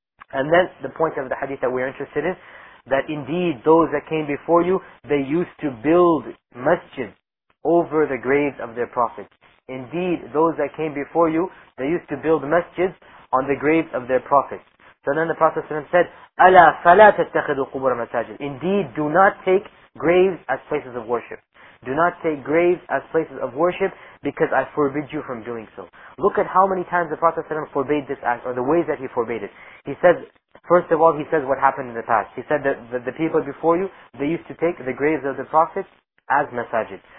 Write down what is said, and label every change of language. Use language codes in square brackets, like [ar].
[en] And then the point of the hadith that we're interested in, that indeed those that came before you, they used to build masjids over the graves of their prophets. Indeed, those that came before you, they used to build masjids on the graves of their prophets. So then the Prophet ﷺ said, [ar] أَلَا فَلَا تَتَّخِذُوا قُبُرَ مَسَاجِدٍ. [en] Indeed, do not take graves as places of worship. Do not take graves as places of worship, because I forbid you from doing so. Look at how many times the Prophet ﷺ forbade this act, or the ways that he forbade it. He says, first of all, he says what happened in the past. He said that the people before you, they used to take the graves of the prophets as masajid.